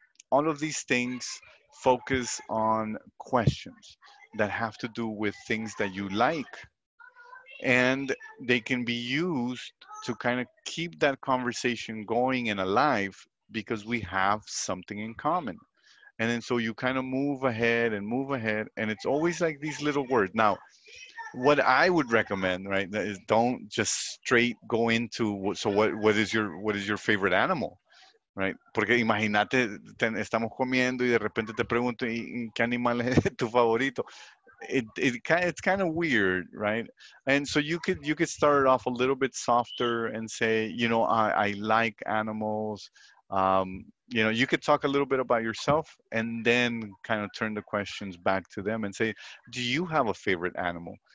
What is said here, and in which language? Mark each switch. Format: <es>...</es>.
<en>All of these things focus on questions that have to do with things that you like, and they can be used to kind of keep that conversation going and alive because we have something in common. And then so you kind of move ahead, and it's always like these little words. Now, what I would recommend, right, is don't just straight go into, so what is your favorite animal, right?</en> <es>Porque imagínate, estamos comiendo y de repente te pregunto, ¿qué animal es tu favorito?</es> <en>It's kind of weird, right? And so you could start off a little bit softer and say, you know, I like animals. You know, you could talk a little bit about yourself and then kind of turn the questions back to them and say, do you have a favorite animal?</en>